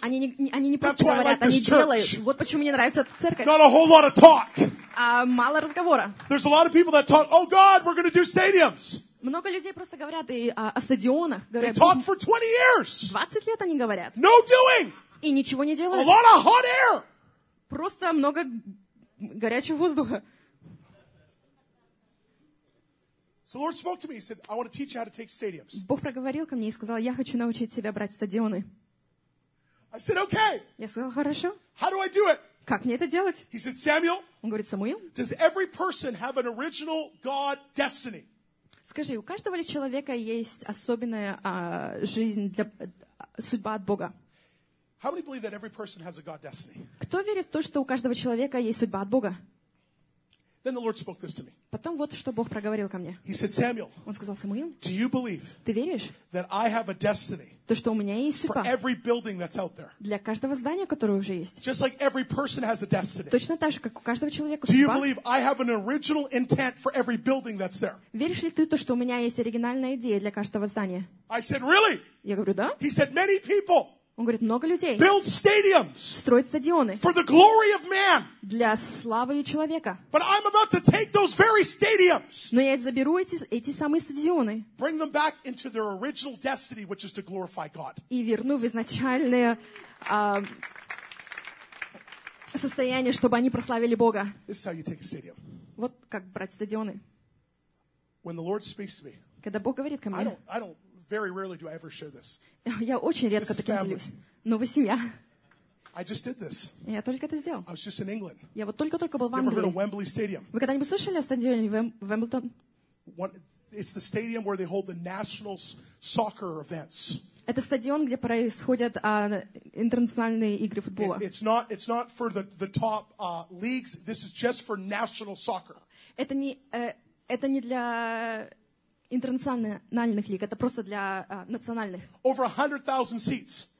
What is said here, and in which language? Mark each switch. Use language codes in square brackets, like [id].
[ru] Они не просто говорят, они делают. Вот почему мне нравится эта церковь. [en] Not a whole lot of talk. [ru] Мало разговора. [en] There's a lot of people that talk, oh God, we're going to do stadiums. [ru] Много людей просто говорят и о стадионах. Говорят, [en] they talk for 20 years. [ru] 20 лет они говорят. [en] No doing. [ru] И ничего не делают. [en] A lot of hot air. [ru] Просто много горячего воздуха. [en] So the Lord spoke to me. He said, "I want to teach you how to take stadiums." [ru] Бог проговорил ко мне и сказал: "Я хочу научить тебя брать стадионы." [en] I said, "Okay." [ru] Я сказал: "Хорошо." [en] How do I do it? [ru] Как мне это делать? [en] He said, "Samuel." [ru] Он говорит: "Самуил." [en] Does every person have an original God destiny? [ru] Скажи, у каждого ли человека есть особенная жизнь для судьба от Бога? [en] How many believe that every person has a God destiny? [ru] Кто верит в то, что у каждого человека есть судьба от Бога? [en] Then the Lord spoke this to me. [ru] Потом вот что Бог проговорил ко мне. [en] He said, Samuel. [ru] Он сказал: Самуил. [en] Do you believe? [ru] Ты веришь? [en] That I have a destiny. [ru] То, что у меня есть судьба. [en] For every building that's out there. [ru] Для каждого здания, которое уже есть. [en] Just like every person has a destiny. [ru] Точно так же, как у каждого человека судьба. [en] Do you believe I have an original intent for every building that's there? [ru] Веришь ли ты то, что у меня есть оригинальная идея для каждого здания? [en] I said, really? [ru] Я говорю: да. [en] He said, many people. [ru] Он говорит: много людей. [en] Build stadiums. [ru] Строить стадионы. [en] For the glory of man. [ru] Для славы человека. [en] But I'm about to take those very stadiums. [ru] Но я заберу эти самые стадионы. [en] Bring them back into their original destiny, which is to glorify God. [ru] И верну в изначальное состояние, чтобы они прославили Бога. [en] This is how you take a stadium. [ru] Вот как брать стадионы. [en] When the Lord speaks to me. [ru] Когда Бог говорит ко мне. [en] I don't. Very rarely do I ever share this. [ru] Я очень редко таким делюсь. Но вы семья. [en] I just did this. [ru] Я только это сделал. [en] I was just in England. [ru] Я вот только был в Англии. [en] You ever heard of Wembley Stadium? [ru] Вы когда-нибудь слышали о стадионе Wembley? [en] It's the stadium where they hold the national soccer events. [ru] Это стадион, где происходят интернациональные игры футбола. [en] It's not for the top leagues. This is just for national soccer. [ru] Это не для интернациональных лиг, это просто для национальных. [en] Over 100,000 seats.